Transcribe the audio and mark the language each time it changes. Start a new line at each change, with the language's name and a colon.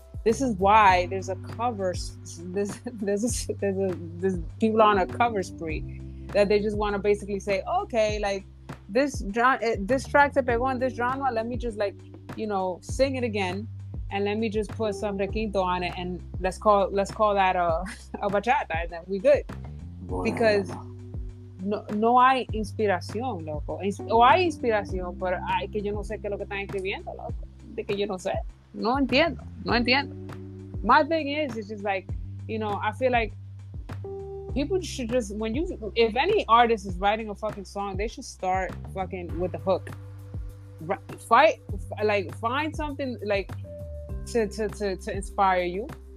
English: This is why there's a cover, there's people on a cover spree that they just wanna basically say, okay, like, this track
Spanish: se pegó
English: in this genre, let me just, like, you know, sing it again, and let me just put some requinto on it, and let's call that a bachata, and then we good.
Spanish: Bueno.
English: Because
Spanish: no hay inspiración, loco. O hay inspiración, pero hay que yo no sé qué es lo que están escribiendo, loco. De que yo no sé. No entiendo.
English: My thing is, it's just like, you know, I feel like people should just, if any artist is writing a fucking song, they should start fucking with the hook. Find something, like, to inspire you.